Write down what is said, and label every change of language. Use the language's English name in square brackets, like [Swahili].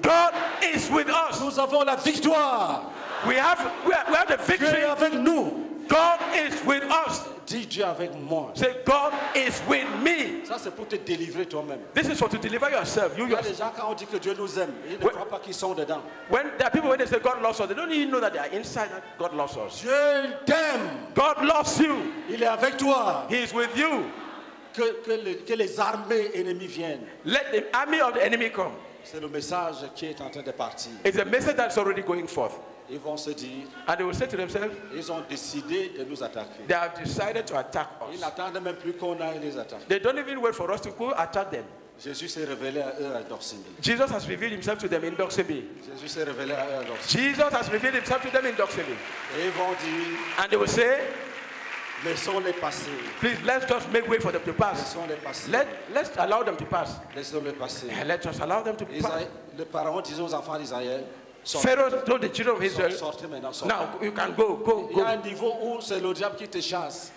[English] God is with us. [French] Nous avons la victoire. [English] We have the victory. [French] Dieu est avec nous. [English] God is with us. [French] Dis Dieu avec moi. [English] Say God is with me. [French] Ça c'est pour te délivrer toi-même. [English] This is for to deliver yourself. You yourself. [French] Il y a des gens quand on dit que Dieu nous aime, ils ne croient pas qu'ils sont dedans. [English] When there are people when they say God loves us, they don't even know that they are inside. That God loves us. [French] Dieu t'aime. [English] God loves you. [French] Il est avec toi. [English] He is with you. [French] Que les armées ennemies viennent. [English] Let the army of the enemy come. [French] C'est le message qui est en train de partir. [English] It's a message that's already going forth. [French] Ils vont se dire, [English] and they will say to themselves, [French] ils ont décidé de nous attaquer. [English] They have decided to attack us. [French] Ils n'attendent même plus qu'on aille les attaquer. [English] They don't even wait for us to go attack them. [French] Jésus s'est révélé à eux à Dorsimbi. [English] Jesus has revealed himself to them in Dorsimbi. [French] Jésus s'est révélé à eux à Dorsimbi. [English] Jesus has revealed himself to them in Dorsimbi. [French] Et ils vont dire, [English] and they will say, [French] laissons-les passer. [English] Please let's just make way for them to pass. [French] Laissons-les passer. [English] Let's allow them to pass. [French] Laissons-les passer. [English] And let's just allow them to pass. [French] Les parents disent aux enfants d'Israël. [English] Pharaoh told the children of Israel, now you can go, go, go. [French] Il y a un niveau où c'est le diable qui te chasse.